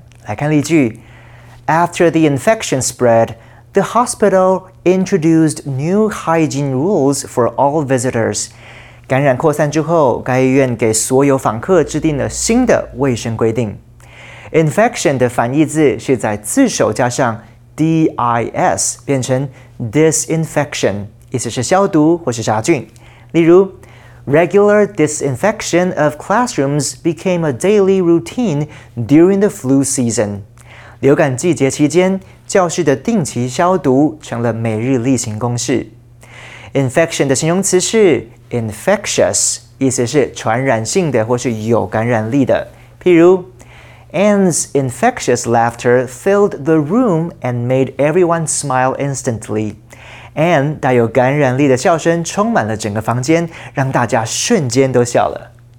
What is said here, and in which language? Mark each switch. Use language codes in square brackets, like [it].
[en] After the infection spread, the hospital introduced new hygiene rules for all visitors. [zh] 感染扩散之后，该医院给所有访客制定了新的卫生规定。 Infection 的反义字是在自首加上 D-I-S 变成 disinfection， 意思是消毒或是杀菌。 [en] 例如 ，Regular disinfection of classrooms became a daily routine during the flu season。 [zh] 流感季节期间，教室的定期消毒成了每日例行公事。 Infection 的形容词是infectious， 意思是传染性的或是有感染力的。 [en] 譬如 Anne's infectious laughter filled the room and made everyone smile instantly. [zh] Anne 带有感染力的笑声充满了整个房间，让大家瞬间都笑了。